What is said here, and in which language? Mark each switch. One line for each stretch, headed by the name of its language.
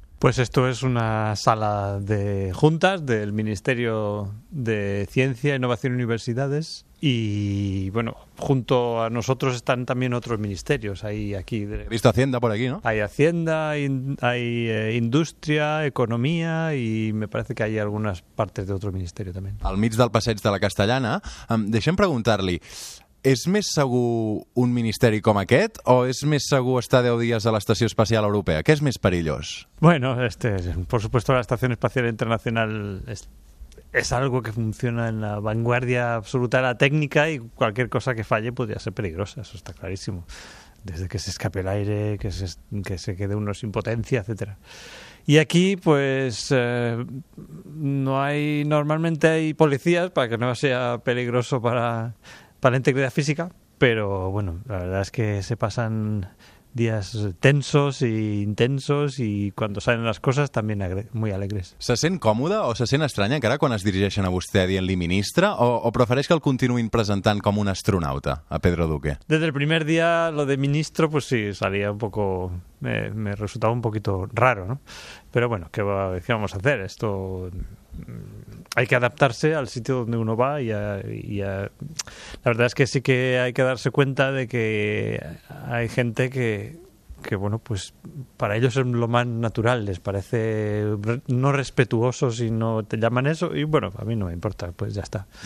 Spanish: Pues esto es una sala de juntas del Ministerio de Ciencia, Innovación y Universidades. Y bueno, junto a nosotros están también otros ministerios. Hay aquí. He visto Hacienda por aquí, ¿no? Hay Hacienda, hay Industria, Economía y me parece que hay algunas partes de otro ministerio también.
Catalan: Al mig del passeig de la Castellana, deixem preguntar-li. És més segur un ministeri com aquest o és més segur estar 10 dies a l'Estació Espacial Europea? Què és més perillós?
Spanish: Bueno, por supuesto, la Estación Espacial Internacional es algo que funciona en la vanguardia absoluta de la técnica y cualquier cosa que falle podría ser peligrosa, eso está clarísimo. Desde que se escape el aire, que se quede uno sin potencia, etcétera. Y aquí, pues, normalmente hay policías para que no sea peligroso para la integridad física, pero bueno, la verdad es que se pasan días tensos e intensos y cuando salen las cosas también muy alegres.
Catalan: ¿Se sent còmode o se sent estranya encara quan es dirigeixen a vostè dient-li ministre o prefereix que el continuïn presentant com un astronauta a Pedro Duque?
Spanish: Desde el primer día lo de ministro pues sí, salía un poco... Me resultaba un poquito raro, ¿no? Pero bueno, ¿qué vamos a hacer? Esto... Hay que adaptarse al sitio donde uno va la verdad es que sí que hay que darse cuenta de que hay gente que bueno, pues para ellos es lo más natural, les parece no respetuoso si no te llaman eso y bueno, a mí no me importa, pues ya está.